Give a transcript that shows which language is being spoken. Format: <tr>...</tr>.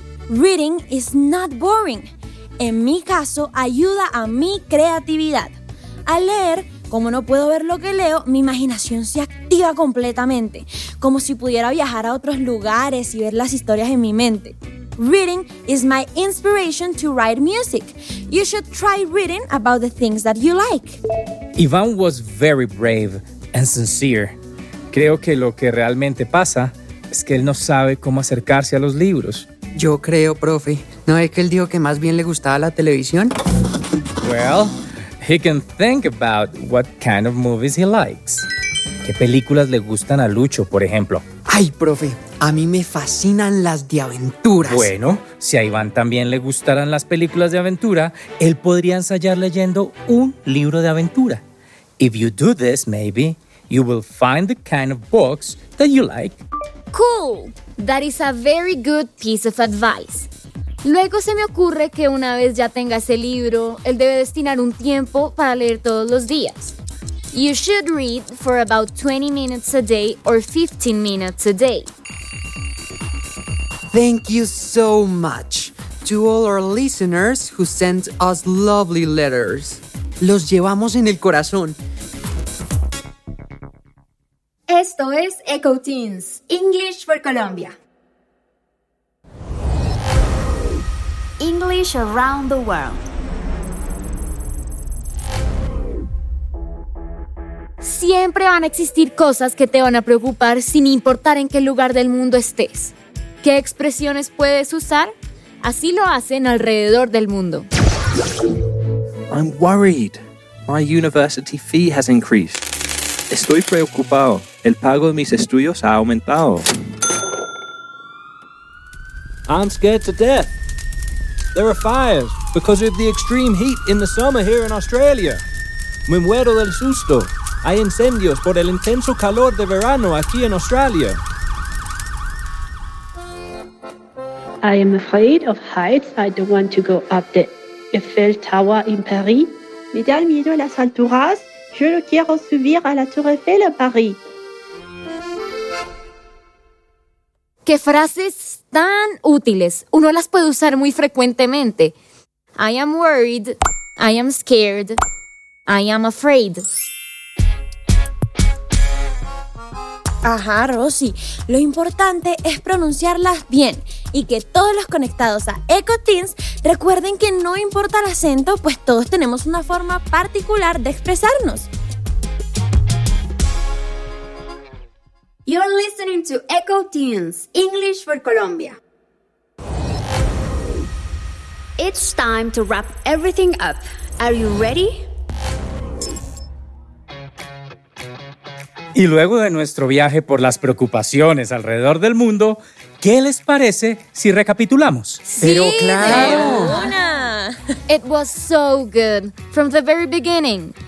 <en>Reading is not boring.</en> <es>En mi caso, ayuda a mi creatividad. Al leer, como no puedo ver lo que leo, mi imaginación se activa completamente, como si pudiera viajar a otros lugares y ver las historias en mi mente.</es> <en>Reading is my inspiration to write music. You should try reading about the things that you like. Iván was very brave and sincere.</en> <es>Creo que lo que realmente pasa es que él no sabe cómo acercarse a los libros. Yo creo, profe. ¿No es que él dijo que más bien le gustaba la televisión?</es> <en>Well, he can think about what kind of movies he likes.</en> <es>¿Qué películas le gustan a Lucho, por ejemplo? Ay, profe, a mí me fascinan las de aventuras. Bueno, si a Iván también le gustaran las películas de aventura, él podría ensayar leyendo un libro de aventura.</es> <en>If you do this, maybe you will find the kind of books that you like. Cool! That is a very good piece of advice.</en> <es>Luego se me ocurre que una vez ya tenga ese libro, él debe destinar un tiempo para leer todos los días.</es> <en>You should read for about 20 minutes a day or 15 minutes a day. Thank you so much to all our listeners who sent us lovely letters.</en> <es>Los llevamos en el corazón. Esto es Echo Teens, English for Colombia.</es> <en>English around the world.</en> <es>Siempre van a existir cosas que te van a preocupar sin importar en qué lugar del mundo estés. ¿Qué expresiones puedes usar? Así lo hacen alrededor del mundo.</es> <en>I'm worried. My university fee has increased.</en> <es>Estoy preocupado. El pago de mis estudios ha aumentado.</es> <en>I'm scared to death. There are fires because of the extreme heat in the summer here in Australia.</en> <es>Me muero del susto. Hay incendios por el intenso calor de verano aquí en Australia.</es> <en>I am afraid of heights. I don't want to go up the Eiffel Tower in Paris.</en> <es>Me da miedo las alturas. Yo no quiero subir a la Tour Eiffel en Paris. ¡Qué frases tan útiles! Uno las puede usar muy frecuentemente.</es> <en>I am worried. I am scared. I am afraid.</en> <es>Ajá, Rosy. Lo importante es pronunciarlas bien y que todos los conectados a EcoTeens recuerden que no importa el acento, pues todos tenemos una forma particular de expresarnos.</es> <en>You're listening to EcoTeens, English for Colombia. It's time to wrap everything up. Are you ready?</en> <es>Y luego de nuestro viaje por las preocupaciones alrededor del mundo, ¿qué les parece si recapitulamos? Sí, pero claro. Una.</es> <en>It was so good from the very beginning.</en>